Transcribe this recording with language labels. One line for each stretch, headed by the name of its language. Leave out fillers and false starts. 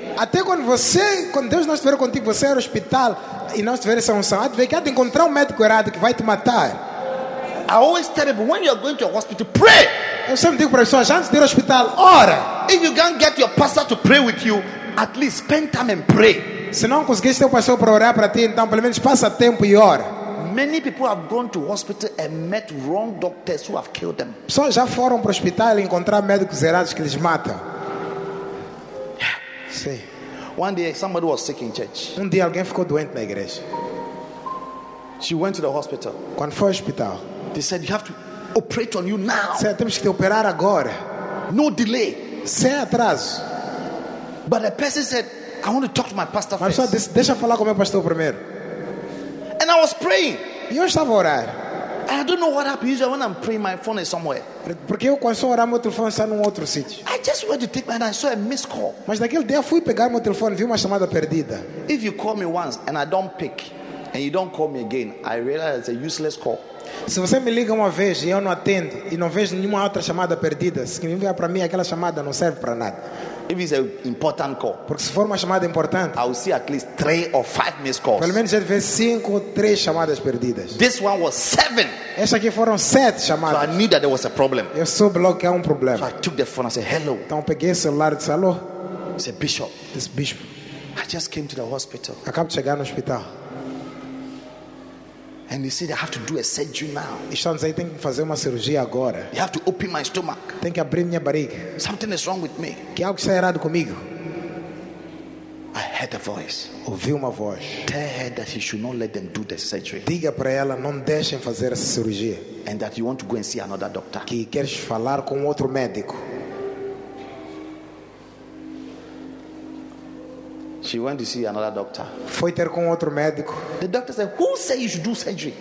Portuguese: Até quando Deus não estiver contigo, você é no hospital e não estiver sem unção, há de encontrar um médico errado que vai te matar.
English: I always tell people, when you are going to a hospital, pray.
Portuguese: Eu sempre digo para as pessoas, antes de ir ao hospital, ora.
English: If you can't get your pastor to pray with you, at least spend time and pray.
Portuguese: Se não conseguiste ter o pastor para orar para ti, então pelo menos passa tempo e ora.
English: Many people have gone to hospital and met wrong doctors who have killed them.
Portuguese: Pessoas já foram para o hospital e encontraram médicos errados que lhes matam.
English: Yeah.
Portuguese: Sim.
English: One day somebody was sick in church.
Portuguese: Um dia alguém ficou doente na igreja.
English: She went to the hospital.
Portuguese: Quando foi ao hospital,
English: they said you have to operate on you now.
Portuguese: Certo, temos que te operar agora.
English: No delay.
Portuguese: Sem atraso.
English: But a person said, I want to talk to my pastor first.
Portuguese: Mas só deixa eu falar com meu pastor primeiro.
English: And I was praying.
Portuguese: E eu estava a orar.
English: And I don't know what happened. Usually when I'm praying, my phone is somewhere.
Portuguese: Porque eu quando estou a orar, meu telefone está num outro sítio.
English: I just went to take my and I saw a missed call.
Portuguese: Mas naquele dia fui pegar meu telefone, vi uma chamada perdida.
English: If you call me once and I don't pick and you don't call me again, I realize it's a useless call.
Portuguese: Se você me liga uma vez e eu não atendo e não vejo nenhuma outra chamada perdida, significa para mim aquela chamada não serve para nada.
English: If it's an important call,
Portuguese: porque se for uma chamada importante,
English: I'll see at least 3 or 5 missed calls.
Portuguese: Pelo menos eu vejo 5 ou 3 chamadas perdidas.
English: This one was 7.
Portuguese: Essa aqui foram 7 chamadas.
English: So I knew that there was a problem.
Portuguese: Eu soube logo que há um problema.
English: So I took the phone and said, hello.
Portuguese: Então peguei o celular e disse, alô.
English: It's a bishop. This bishop. I just came to the hospital.
Portuguese: Acabo de chegar no hospital.
English: And he said, I have to do a surgery now.
Portuguese: Estamos aí, tenho que fazer uma cirurgia agora.
English: You have to open my stomach.
Portuguese: Tem que abrir minha barriga.
English: Something is wrong with me.
Portuguese: Que algo está errado comigo.
English: I heard a voice.
Portuguese: Ouvi uma voz.
English: Tell her that she should not let them do the surgery.
Portuguese: Diga para ela não deixem fazer essa cirurgia.
English: And that you want to go and see another doctor.
Portuguese: Que queres falar com outro médico.
English: She went to see another doctor.
Portuguese: Foi ter com outro médico.
English: The doctor said, "Who said you should do surgery?"